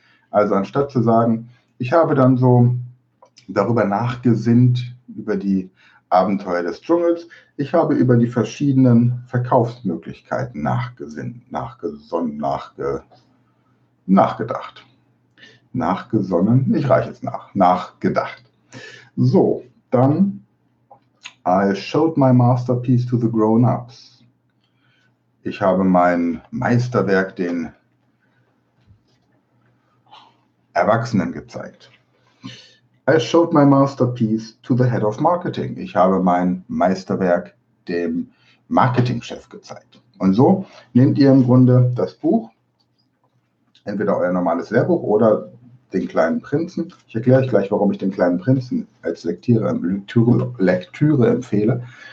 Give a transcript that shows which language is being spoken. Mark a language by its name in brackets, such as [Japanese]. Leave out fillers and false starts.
[German] Also anstatt zu sagen, ich habe dann so darüber nachgesinnt, über die Abenteuer des Dschungels. Ich habe über die verschiedenen Verkaufsmöglichkeiten nachgedacht. So, dann, [English] I showed my masterpiece to the grown-ups. [German] Ich habe mein Meisterwerk den Erwachsenen gezeigt. [English] I showed my masterpiece to the head of marketing. [German] Ich habe mein Meisterwerk dem Marketingchef gezeigt. Und so nehmt ihr im Grunde das Buch, entweder euer normales Lehrbuch oder den kleinen Prinzen. Ich erkläre euch gleich, warum ich den kleinen Prinzen als Lektüre empfehle.